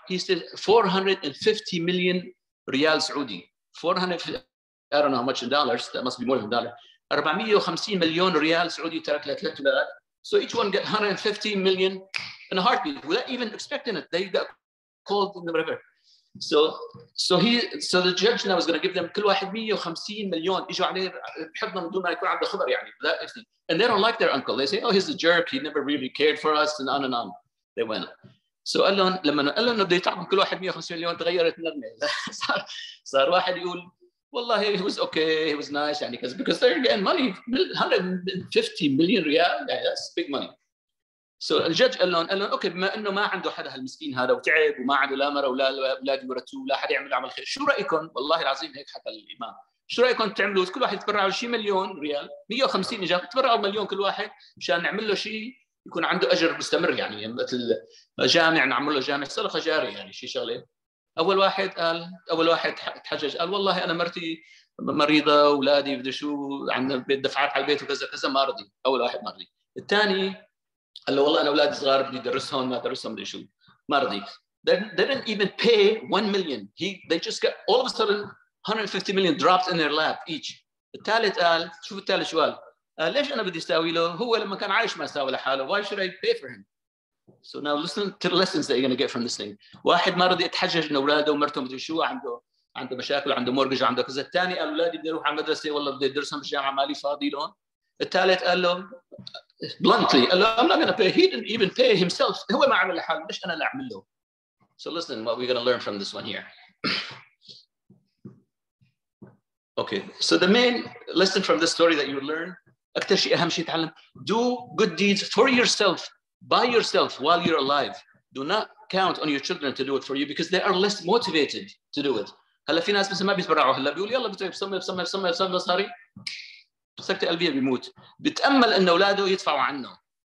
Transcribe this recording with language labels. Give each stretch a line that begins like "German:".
English: He said, 450 million riyal Saudi. 450, I don't know how much in dollars. That must be more than a dollar. 450 million riyal Saudi. So each one got 150 million in a heartbeat without even expecting it. They got called in the river. So the judge now is going to give them
Arabic: كل واحد 150 مليون يجوا عليه بحضنهم بدون ما يكون عنده خبر يعني. And they don't like their uncle. They say, oh, he's a jerk. He never really cared for us. And on and on. They went. So قال لهم لما قال لهم بده يتعبهم كل واحد 150 مليون تغيرت نغمه. صار واحد يقول والله
English: he was okay. He was nice. يعني because they're getting money.
Arabic: 150 مليون ريال.
English: Yeah, that's big money.
Arabic: So the judge قال لهم okay, بما انه ما عنده حدا هالمسكين هذا وتعب وما عنده لا مرة ولا اولاد يورثوه ولا حدا يعمل عمل خير, شو رايكم والله العظيم هيك حتى الامام, شو رايكم تعملوا كل واحد يتبرعوا شيء مليون ريال, 150 اجا تبرعوا مليون كل واحد مشان نعمل له شيء يكون عنده اجر مستمر يعني مثل جامع, نعمل له جامع صرخه جاري يعني شيء شغله. اول واحد قال اول واحد تحجج قال والله انا مرتي مريضه اولادي بده شو عندنا بيت دفعات على البيت وكذا كذا ما رضي. اول واحد ما رضي. الثاني قال له والله انا اولادي صغار بدي ادرسهم ما ادرسهم بدي شو ما رضي.
English: They didn't even pay 1 million. They just got all of a sudden 150 million dropped in their lap each.
Arabic: الثالث قال شوف الثالث شو قال, ليش انا بدي استاوي له, هو لما كان عايش ما استاوي لحاله,
English: why should I pay for him. So now listen to the lessons that you're going to get from this thing.
Arabic: واحد ما رضي يتحجج ان اولاده ومرته بدي شو عنده مشاكل عنده مورجج عنده كذا. الثاني قال اولادي بدي اروح على المدرسه والله بدي ادرسهم بالجامعه مالي فاضي لهم. الثالث قال له
English: bluntly, I'm not going to pay. He didn't even pay himself.
Arabic: هو ما عمل لحاله, مش انا اللي اعمل له.
English: So listen what we're going to learn from this one here. Okay, so the main lesson from this story that you learn,
Arabic: اكثر شيء اهم شيء تعلم,
English: do good deeds for yourself, by yourself while you're alive. Do not count on your children to do it for you because they are less motivated to do it.
Arabic: هلا في ناس مثلا ما بيتبرعوا, هلا بيقول يلا بتسمي بسمي بسمي بسمي بسمي مصاري سكتة قلبية بيموت, بتأمل أن أولاده يدفعوا عنه.